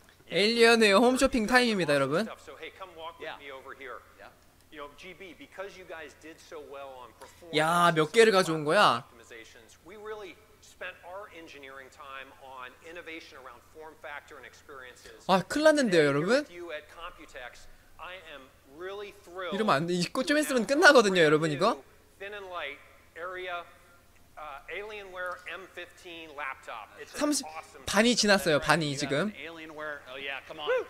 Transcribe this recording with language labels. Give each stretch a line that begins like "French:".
Korean: 에일리언웨어 홈쇼핑 타임입니다, 여러분.
English: Yeah. You know, GB, because you guys did so well on performance.
Korean: 야, 몇 개를 가져온 거야?
English: We really spent our engineering time on innovation around form factor and experiences.
Korean: 아, 큰일 났는데요, 여러분?
English: You at Computex, I am really thrilled.
Korean: 이러면 안 돼. 이거 좀 했으면 끝나거든요, 여러분, 이거.
English: Thin and light area Alienware M15 laptop.
Korean: It's 30 반이 지났어요, 반이 지금.
English: Alienware. Oh yeah, come on.